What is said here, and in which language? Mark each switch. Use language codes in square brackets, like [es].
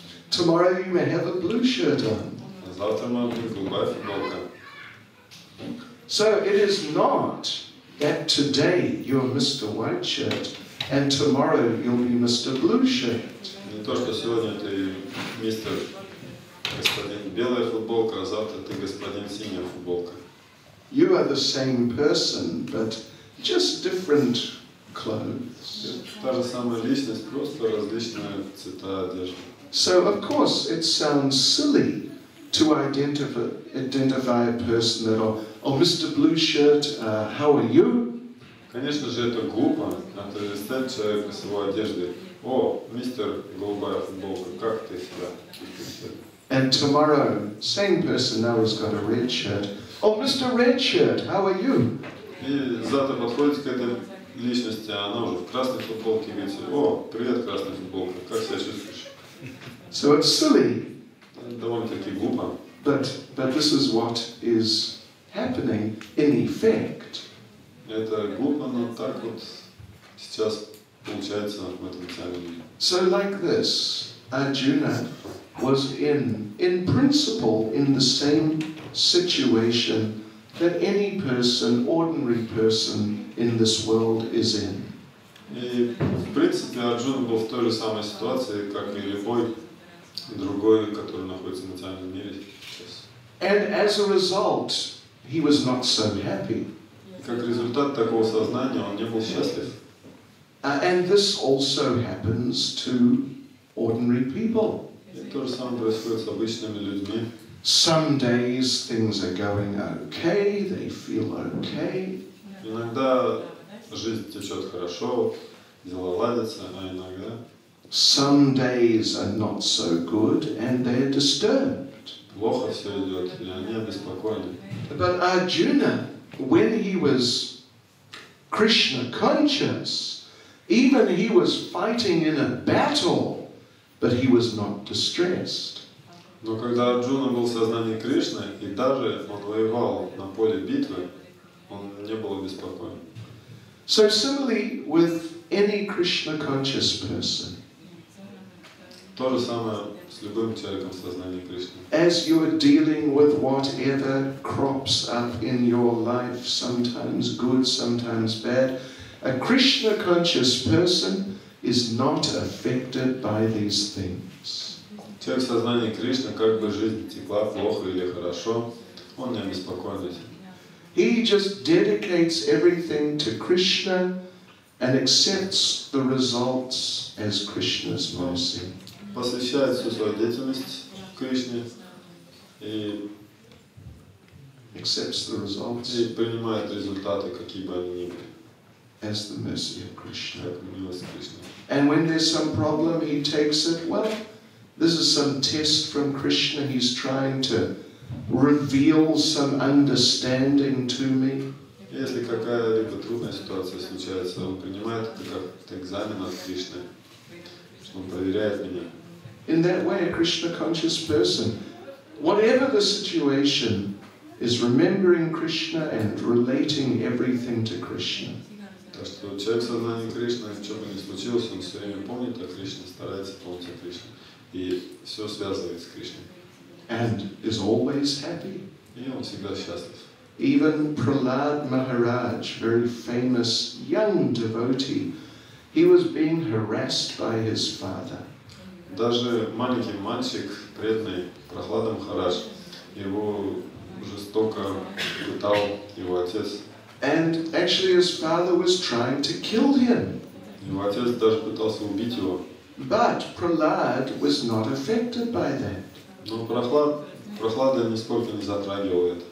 [en] Tomorrow you may have a blue shirt on. [ru] Завтра может быть голубая футболка. [en] So it is not that today you're Mr. White Shirt and tomorrow you'll be Mr. Blue Shirt. [ru] Не то, что сегодня ты мистер господин белая футболка, а завтра ты господин синяя футболка. [en] You are the same person, but just different clothes. [ru] Та же самая личность, просто различные цвета одежды. [en] So of course it sounds silly to identify a person at all. Oh, Mr. Blue Shirt, how are you? [ru] Конечно же это глупо, отождествлять человека с его одеждой. О, мистер голубая футболка, как ты себя? [en] And tomorrow, same person now has got a red shirt. Oh, Mr. Red Shirt, how are you? [ru] И завтра подходит к этой личности, она уже в красной футболке, говорит: О, привет, красная футболка, как себя чувствуешь? [en] So it's silly. [ru] Довольно-таки глупо. [en] But this is what is happening in effect. [ru] Это глупо, но так вот сейчас получается в этом термине. [en] So like this, Arjuna was in principle in the same situation that any person, ordinary person in this world is in. [ru] И в принципе Арджуна был в той же самой ситуации, как и любой другой, который находится в материальном мире сейчас. [en] And as a result, he was not so happy. [ru] Как результат такого сознания, он не был счастлив. [en] And this also happens to ordinary people. [ru] И то же самое происходит с обычными людьми. [en] Some days things are going okay, they feel okay. [ru] Иногда жизнь течет хорошо, дела ладятся, а иногда... [en] Some days are not so good, and they are disturbed. [ru] Плохо все идет, и они обеспокоены. [en] But Arjuna, when he was Krishna conscious, even he was fighting in a battle, but he was not distressed. [ru] Но когда Арджуна был в сознании Кришны, и даже он воевал на поле битвы, он не был обеспокоен. [en] So similarly with any Krishna conscious person. [ru] То же самое с любым человеком в сознании Кришны. [en] As you are dealing with whatever crops up in your life, sometimes good, sometimes bad, a Krishna conscious person is not affected by these things. [ru] Человек в сознании Кришны, как бы жизнь текла плохо или хорошо, он не обеспокоен этим. [en] He just dedicates everything to Krishna and accepts the results as Krishna's mercy. [ru] Посвящает всю свою деятельность Кришне и [en] accepts the results. [ru] И принимает результаты, какие бы они ни были. [en] As the mercy of Krishna. [ru] Как милость Кришны. [en] And when there's some problem, he takes it. Well, this is some test from Krishna. He's trying to reveal some understanding to me. [ru] Если какая-либо трудная ситуация случается, он принимает это как экзамен от Кришны, что он проверяет меня. [en] In that way, a Krishna conscious person, whatever the situation, is remembering Krishna and relating everything to Krishna. [ru] Так что человек в сознании Кришны, что бы ни случилось, он все время помнит о Кришне, старается помнить о Кришне. И все связывает с Кришной. [en] And is always happy. [ru] И он всегда счастлив. [en] Even Prahlad Maharaj, very famous young devotee, he was being harassed by his father. [ru] Даже маленький мальчик, преданный Прохлада Махарадж, его жестоко пытал его отец. [en] And actually his father was trying to kill him. [ru] Его отец даже пытался убить его. [en] But Prahlad was not affected by that. [ru] Но Прохлада нисколько не затрагивал это.